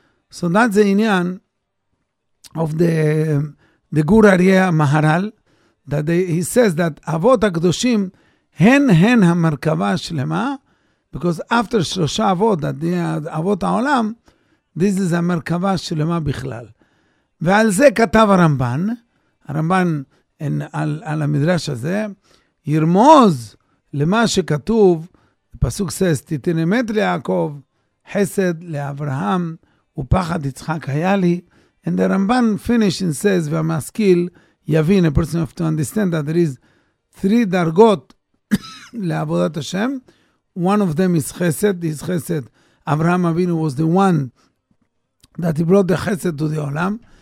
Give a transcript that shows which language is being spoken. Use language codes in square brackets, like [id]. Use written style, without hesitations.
[en] So that's the inyan of the Gur Ariyeh Maharal, that he says that Avot HaKadoshim, [he] hen HaMerkava Shlema, [en] because after Shlosha Avot, that the Avot HaOlam, this is [he] HaMerkava Shlema Bichlal. ועל זה כתב הרמב"ן, הרמב"ן אין, על, על המדרש הזה, ירמוז למה שכתוב, פסוק סס, תיתן אמת ליעקב, חסד לאברהם, ופחד יצחק היה לי. [en] And the רמב"ן finish and says, [he] והמשכיל יבין, [en] a person of to understand that there is three [he] דרגות לעבודת השם. [en] One of them is חסד, his חסד, אברהם אבינו was the one that he brought the חסד to the עולם.